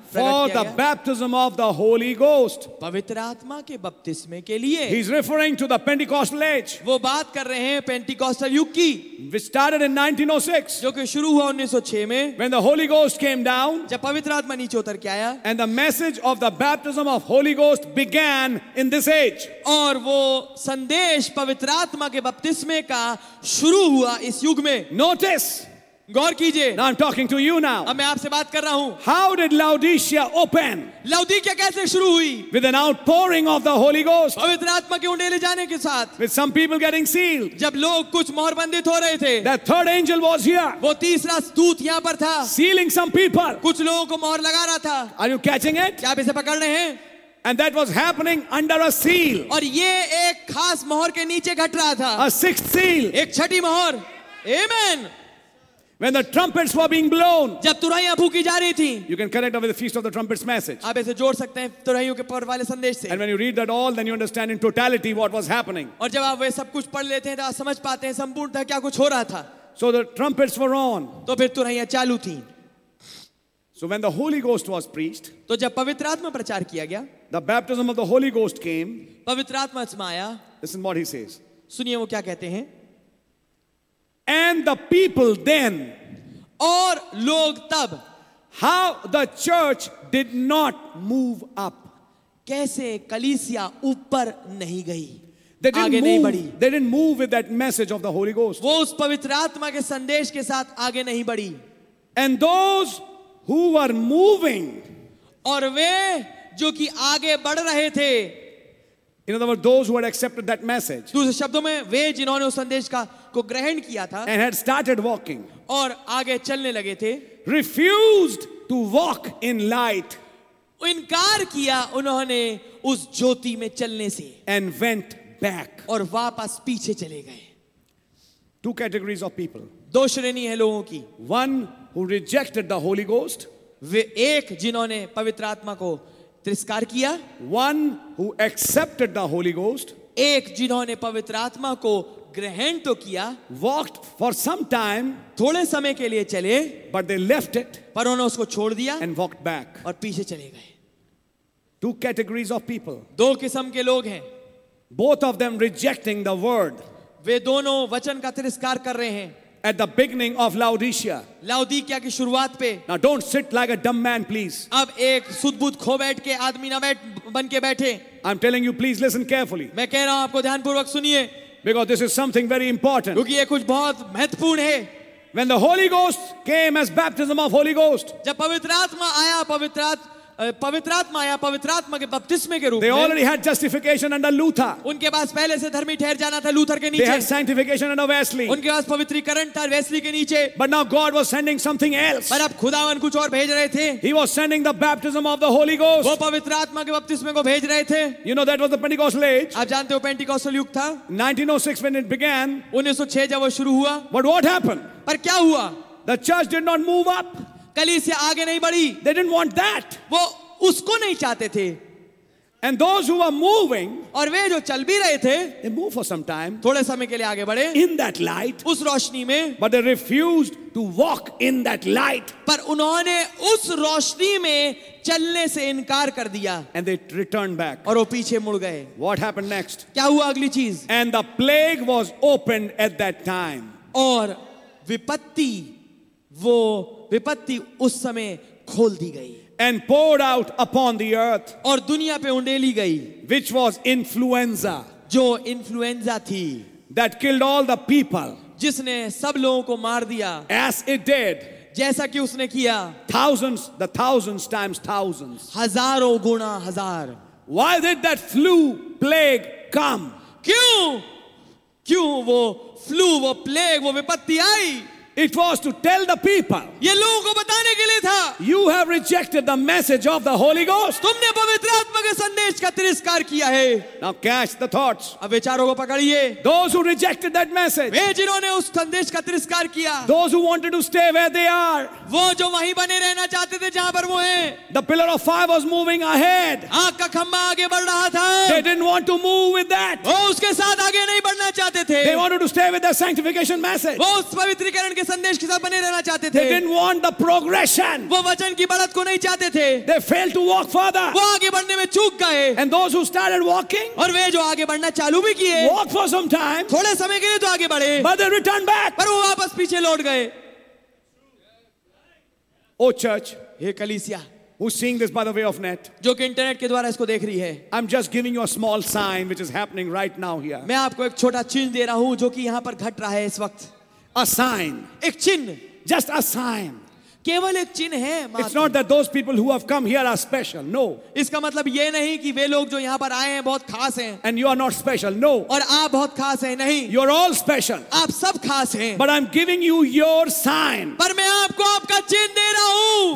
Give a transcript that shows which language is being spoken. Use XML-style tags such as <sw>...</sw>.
<en>for the baptism of the Holy Ghost,</en> <hi>पवित्र आत्मा के बपतिस्मे के लिए,</hi> <en>he's referring to the Pentecostal age.</en> <hi>वो बात कर रहे हैं पेंटिकॉस्टल युग की,</hi> <en>which started in 1906,</en> <hi>जो कि शुरू हुआ 1906 में,</hi> <en>when the Holy Ghost came down,</en> <hi>जब पवित्र आत्मा नीचे उतर के आया,</hi> <en>and the message of the baptism of Holy Ghost began in this age.</en> <hi>और वो संदेश पवित्र आत्मा के बपतिस्मे का शुरू हुआ इस युग में.</hi> <en>Notice.</en> <hi>गौर कीजिए.</hi> <en>Now I'm talking to you now.</en> <hi>अब मैं आपसे बात कर रहा हूं.</hi> <en>How did Laodicea open?</en> <hi>लौदीकिया कैसे शुरू हुई?</hi> <en>With an outpouring of the Holy Ghost.</en> <hi>पवित्र आत्मा के उंडेले जाने के साथ.</hi> <en>With some people getting sealed.</en> <hi>जब लोग कुछ मोहर बंधित हो रहे थे.</hi> <en>That third angel was here.</en> <hi>वो तीसरा दूत यहां पर था.</hi> <en>Sealing some people.</en> <hi>कुछ लोगों को मोहर लगा रहा था.</hi> <en>Are you catching it?</en> <hi>क्या आप इसे पकड़ रहे हैं?</hi> <en>And that was happening under a seal.</en> <hi>और ये एक खास मोहर के नीचे घट रहा था.</hi> <en>A sixth seal.</en> <hi>एक छठी मोहर. Amen.</hi> <en>When the trumpets were being blown,</en> <hi>जब तुरहियां फूंकी जा रही थी,</hi> <en>you can connect up with the feast of the trumpets message.</en> <hi>आप इसे जोड़ सकते हैं तुरहियों के पर्व वाले संदेश से.</hi> <en>And when you read that all, then you understand in totality what was happening.</en> <hi>और जब आप वे सब कुछ पढ़ लेते हैं तो आप समझ पाते हैं संपूर्णतः क्या कुछ हो रहा था.</hi> <en>So the trumpets were on.</en> <hi>तो फिर तुरहियां चालू थीं.</hi> <en>So when the Holy Ghost was preached,</en> <hi>तो जब पवित्र आत्मा प्रचार किया गया,</hi> <en>the baptism of the Holy Ghost came.</en> <hi>पवित्र आत्मा समाया.</hi> <en>Listen what he says.</en> <hi>सुनिए वो क्या कहते हैं.</hi> <en>And the people then,</en> <hi>और लोग तब,</hi> <en>how the church did not move up,</en> <hi>कैसे कलीसिया ऊपर नहीं गई,</hi> <en>they didn't</en> <hi>आगे</hi> <en>move,</en> <hi>नहीं बढ़ी,</hi> <en>they didn't move with that message of the Holy Ghost,</en> <hi>वो उस पवित्र आत्मा के संदेश के साथ आगे नहीं बढ़ी,</hi> <en>and those who were moving,</en> <hi>और वे जो कि आगे बढ़ रहे थे.</hi> <en>In other words, those who had accepted that message.</en> <hi>दूसरे शब्दों में वे जिन्होंने उस संदेश का को ग्रहण किया था.</hi> <en>And had started walking.</en> <hi>और आगे चलने लगे थे.</hi> <en>Refused to walk in light.</en> <hi>इनकार किया उन्होंने उस ज्योति में चलने से.</hi> <en>And went back.</en> <hi>और वापस पीछे चले गए.</hi> <en>Two categories of people.</en> <hi>दो श्रेणी है लोगों की.</hi> <en>One who rejected the Holy Ghost.</en> <hi>वे एक जिन्होंने पवित्र आत्मा को तिरस्कार किया.</hi> <en>One who accepted the Holy Ghost,</en> <hi>एक जिन्होंने पवित्र आत्मा को ग्रहण तो किया.</hi> <en>Walked for some time,</en> <hi>थोड़े समय के लिए चले.</hi> <en>But they left it,</en> <hi>पर उन्होंने उसको छोड़ दिया.</hi> <en>And walked back,</en> <hi>और पीछे चले गए.</hi> <en>Two categories of people,</en> <hi>दो किस्म के लोग हैं.</hi> <en>Both of them rejecting the word,</en> <hi>वे दोनों वचन का तिरस्कार कर रहे हैं.</hi> <en>At the beginning of Laodicea.</en> <hi>Laodicea की शुरुआत पे.</hi> <en>Now don't sit like a dumb man, please.</en> <hi>अब एक सुदबुद खो बैठ के आदमी ना बैठ बन के बैठे.</hi> <en>I'm telling you, please listen carefully.</en> <hi>मैं कह रहा हूं आपको ध्यान पूर्वक सुनिए.</hi> <en>Because this is something very important.</en> <hi>क्योंकि ये कुछ बहुत महत्वपूर्ण है.</hi> <en>When the Holy Ghost came as baptism of Holy Ghost.</en> <hi>जब पवित्र आत्मा आया पवित्र पवित्रात्मा के बपतिस्मे के रूप में</hi> <en>already had justification under Luther.</en> <hi>उनके पास पहले से धर्मी ठहर जाना था लूथर के नीचे.</hi> <en>They had sanctification under Wesley.</en> <hi>उनके पास पवित्रीकरण था वेस्ली के नीचे.</hi> <en>But now God was sending something else.</en> <hi>पर अब खुदावन कुछ और भेज रहे थे.</hi> <en>He was sending the baptism of the Holy Ghost.</en> <hi>वो पवित्रात्मा के बपतिस्मे को भेज रहे थे.</hi> <en>You know that was the Pentecostal age.</en> <hi>आप जानते हो पेंटिकॉस्टल युग था.</hi> <en>1906 when it began.</en> <hi>1906 जब वो शुरू हुआ.</hi> <en>But what happened?</en> <hi>पर क्या हुआ?</hi> <en>The church did not move up.</en> <hi>कलीसिया आगे नहीं बढ़ी.</hi> <en>They didn't want that.</en> <hi>वो उसको नहीं चाहते थे.</hi> <en>And those who were moving,</en> <hi>और वे जो चल भी रहे थे,</hi> <en>they moved for some time,</en> <hi>थोड़े समय के लिए आगे बढ़े,</hi> <en>in that light,</en> <hi>उस रोशनी में,</hi> <en>but they refused to walk in that light,</en> <hi>पर उन्होंने उस रोशनी में चलने से इनकार कर दिया,</hi> <en>and they returned back,</en> <hi>और वो पीछे मुड़ गए.</hi> <en>What happened next?</en> <hi>क्या हुआ अगली चीज?</hi> <en>And the plague was opened at that time,</en> <hi>और विपत्ति, वो विपत्ति उस समय खोल दी गई.</hi> <en>And poured out upon the earth,</en> <hi>और दुनिया पे उंडेली गई,</hi> <en>which was influenza,</en> <hi>जो influenza थी,</hi> <en>that killed all the people,</en> <hi>जिसने सब लोगों को मार दिया,</hi> <en>as it did,</en> <hi>जैसा कि उसने किया,</hi> <en>thousands, the thousands times thousands,</en> <hi>हजारों गुना हजार.</hi> <en>Why did that flu plague come?</en> <hi>क्यों वो flu, वो plague, वो विपत्ति आई?</hi> <en>It was to tell the people.</en> <hi>ये लोगों को बताने के लिए था.</hi> <en>You have rejected the message of the Holy Ghost.</en> <hi>तुमने पवित्र आत्मा के संदेश का तिरस्कार किया है.</hi> <en>Now catch the thoughts.</en> <hi>अब विचारों को पकड़िए.</hi> <en>Those who rejected that message.</en> <hi>वे जिन्होंने उस संदेश का तिरस्कार किया.</hi> <en>Those who wanted to stay where they are.</en> <hi>वो जो वहीं बने रहना चाहते थे जहाँ पर वो हैं.</hi> <en>The pillar of fire was moving ahead.</en> <hi>आग का खंभा आगे बढ़ रहा था.</hi> <en>They didn't want to move with that.</en> <hi>वो उसके साथ आगे नहीं बढ़ना चाहते थे.</hi> <en>They wanted to stay with their sanctification message.</en> <hi>वो उस पवित्रीकरण के संदेश के साथ बने रहना चाहते थे.</hi> <en>They didn't want the progression.</en> <hi>वो वचन की बढ़त को नहीं चाहते थे.</hi> <en>They failed to walk further.</en> <hi>वो आगे बढ़ने में चूक गए.</hi> <en>And those who started walking,</en> <hi>और वे जो आगे बढ़ना चालू भी किए,</hi> <en>walked for some time,</en> <hi>थोड़े समय के लिए तो आगे बढ़े,</hi> <en>but they returned back,</en> <hi>पर वो वापस पीछे लौट गए.</hi> <en>Oh church,</en> <hi>हे कलीसिया,</hi> <en>who's seeing this by the way of net,</en> <hi>जो कि इंटरनेट के द्वारा इसको देख रही है,</hi> <en>I'm just giving you a small sign which is happening right now here.</en> <hi>मैं आपको एक छोटा चिन्ह दे रहा हूं जो कि यहां पर घट रहा है इस वक्त.</hi> <en>A sign.</en> <hi>एक चिन्ह.</hi> <en>Just a sign.</en> <hi>केवल एक चिन्ह है.</hi> <en>It's not that those people who have come here are special. No.</en> <hi>इसका मतलब ये नहीं कि वे लोग जो यहाँ पर आए हैं बहुत खास हैं.</hi> <en>And you are not special. No.</en> <hi>और आप बहुत खास हैं. नहीं.</hi> <en>You're all special.</en> <hi>आप सब खास हैं.</hi> <en>But I'm giving you your sign.</en> <hi>पर मैं आपको आपका चिन्ह दे रहा हूँ.</hi>